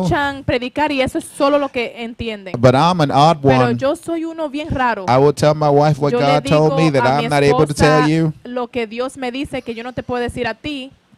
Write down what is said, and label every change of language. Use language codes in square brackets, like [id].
[es] Escuchan predicar y eso es solo lo que entienden. [en] But I'm an odd one. [es] Pero yo soy uno bien raro. [en] I will tell my wife what [es] yo [en] God told me that I'm not able to tell you. [es] Lo que Dios me dice que yo no te puedo decir a ti.